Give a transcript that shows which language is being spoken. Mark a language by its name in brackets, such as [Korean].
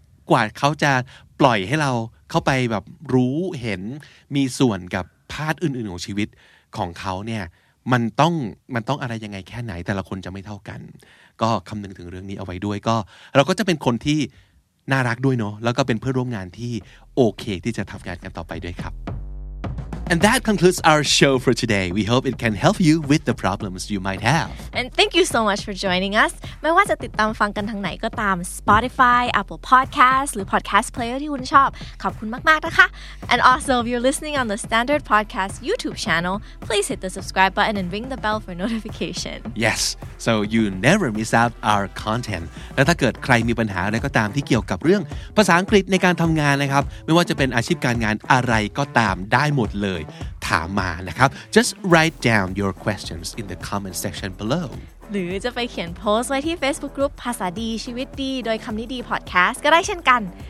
[Thai] กว่าเขาจะปล่อยให้เราเข้าไปแบบรู้เห็นมีส่วนกับพาร์ทอื่นๆของชีวิตของเขาเนี่ยมันต้องอะไรยังไงแค่ไหนแต่ละคนจะไม่เท่ากันก็คำนึงถึงเรื่องนี้เอาไว้ด้วยก็เราก็จะเป็นคนที่น่ารักด้วยเนาะแล้วก็เป็นเพื่อนร่วมงานที่โอเคที่จะทำงานกันต่อไปด้วยครับ [English] And that concludes our show for today. We hope it can help you with the problems you might have. And thank you so much for joining us. [Thai] ไม่ว่าจะติดตามฟังกันทางไหนก็ตาม [English] Spotify, Apple Podcasts, หรือ Podcast Player [Thai] ที่คุณชอบขอบคุณมากๆนะคะ [English] And also, if you're listening on the Standard Podcast YouTube channel, please hit the subscribe button and ring the bell for notification. Yes, so you never miss out our content. [Thai] และถ้าเกิดใครมีปัญหาอะไรก็ตามที่เกี่ยวกับเรื่องภาษาอังกฤษในการทำงานนะครับไม่ว่าจะเป็นอาชีพการงานอะไรก็ตามได้หมดเลยถามมานะครับ [English] Just write down your questions in the comment section below [Thai] หรือจะไปเขียนโพสต์ไว้ที่ Facebook Group ภาษาดีชีวิตดีโดยคำนี้ดีพอดแคสต์ก็ได้เช่นกัน